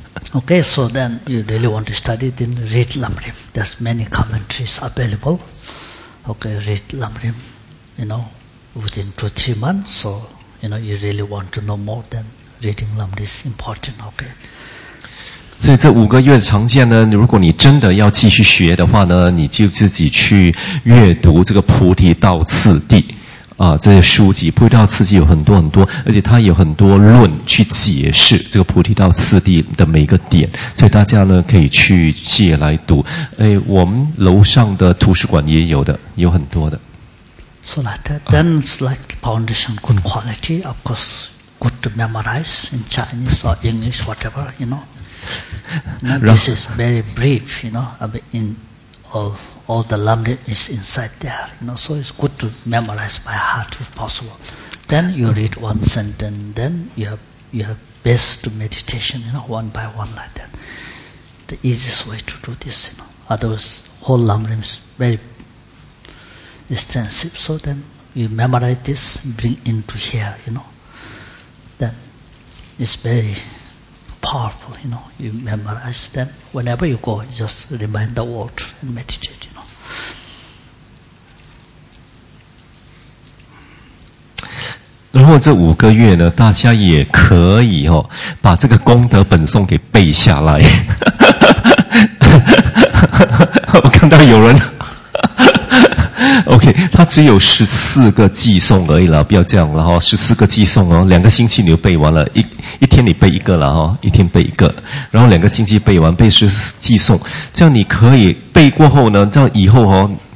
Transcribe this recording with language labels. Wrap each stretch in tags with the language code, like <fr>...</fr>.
<en>Okay, so then you really want to study, then read Lamrim. There's many commentaries available. Okay, read Lamrim, you know, within 2-3 months. So, you know, you really want to know more, then reading Lamrim is important, okay?</en> <zh>所以这五个月的长假呢，如果你真的要继续学的话呢，你就自己去阅读这个菩提道次第。这些书籍菩提道次第有很多很多，而且它有很多论去解释这个菩提道次第的每一个点，所以大家呢可以去借来读。哎，我们楼上的图书馆也有的，有很多的。</zh> <en>So like that, then it's like foundation good quality, of course, good to memorize in Chinese or English, whatever you know. This is very brief, you know, in all the Lamrim is inside there, you know, so it's good to memorize by heart if possible. Then you read one sentence, then you have best to meditation, you know, one by one like that. The easiest way to do this, you know. Otherwise, whole Lamrim is very extensive, so then you memorize this, bring into here, you know. Then it's very powerful, you know. You memorize, then whenever you go, you just remind the word and meditate, you know.</en> <zh>如果这五个月呢，大家也可以哦，把这个功德本颂给背下来。我看到有人，OK， 他只有14个偈颂而已了，不要这样了哈，14个偈颂哦，两个星期你就背完了，一天你背一个了哈，一天背一个，然后两个星期背完，背14偈颂，这样你可以背过后呢，这样以后哦。</zh>